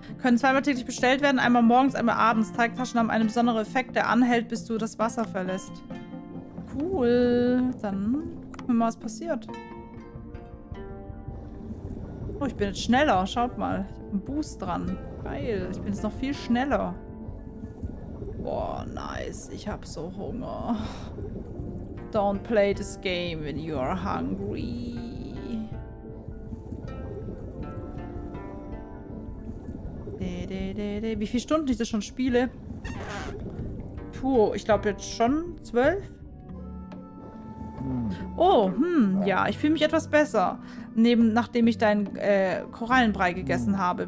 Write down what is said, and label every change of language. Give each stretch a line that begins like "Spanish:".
German: Können zweimal täglich bestellt werden. Einmal morgens, einmal abends. Teigtaschen haben einen besonderen Effekt, der anhält, bis du das Wasser verlässt. Cool. Dann gucken wir mal, was passiert. Oh, ich bin jetzt schneller. Schaut mal. Ich hab einen Boost dran. Geil. Ich bin jetzt noch viel schneller. Boah, nice. Ich hab so Hunger.
English: Don't play this game when you are hungry.
German: Wie viele Stunden ich das schon spiele? Puh, ich glaube jetzt schon 12. Oh, ja, ich fühle mich etwas besser, nachdem ich deinen Korallenbrei gegessen habe.